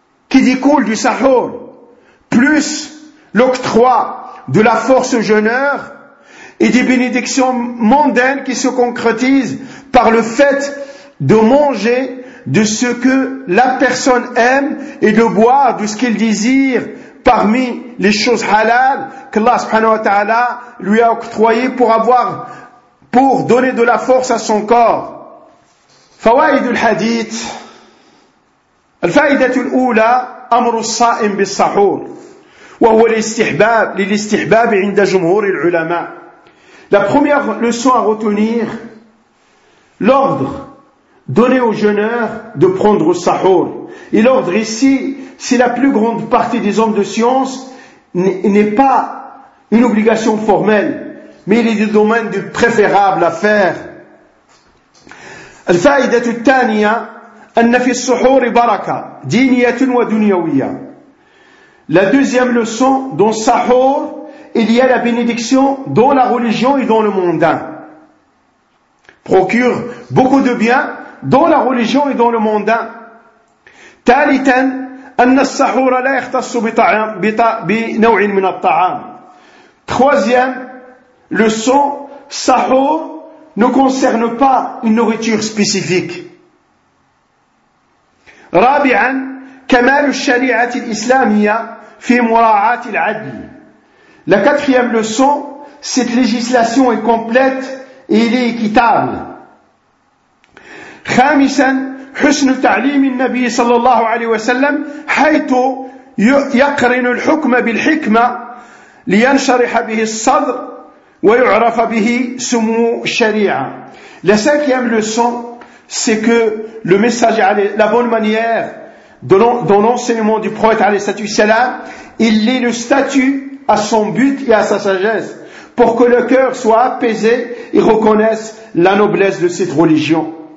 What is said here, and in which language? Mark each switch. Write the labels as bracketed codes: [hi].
[fr] découlent du sahur, plus l'octroi de la force jeûneur et des bénédictions mondaines qui se concrétisent par le fait de manger de ce que la personne aime et de boire de ce qu'il désire parmi les choses halal qu'Allah subhanahu wa ta'ala lui a octroyé pour donner de la force à son corps. [ar] فوائد الحديث الفائدة الأولى أمر الصائم بالسحور وهو للاستحباب عند جمهور العلماء. [fr] La première leçon à retenir, l'ordre donné aux jeûneurs de prendre le sahur. Et l'ordre ici, si la plus grande partie des hommes de science n'est pas une obligation formelle, mais il est du domaine du préférable à faire. [ar] الفائدة الثانية أن في السحور بركة دينية ودنيوية. [fr] La deuxième leçon, dans sahur, il y a la bénédiction dans la religion et dans le mondain. Procure beaucoup de bien dans la religion et dans le mondain. [ar] ثالثا أن السحور لا يختص بنوع من الطعام. [fr] Troisième leçon, sahur ne concerne pas une nourriture spécifique. [ar] رابعا كمال الشريعة الإسلامية في مراعاة العدل. [fr] La quatrième leçon, cette législation est complète et elle est équitable. [ar] خامسا حسن تعليم النبي صلى الله عليه وسلم حيث يقرن الحكم بالحكمة لينشرح به الصدر ويعرف به سمو الشريعة. [fr] La cinquième leçon, c'est que le message, la bonne manière dans l'enseignement du prophète alayhi salam, il est le statut à son but et à sa sagesse, pour que le cœur soit apaisé et reconnaisse la noblesse de cette religion.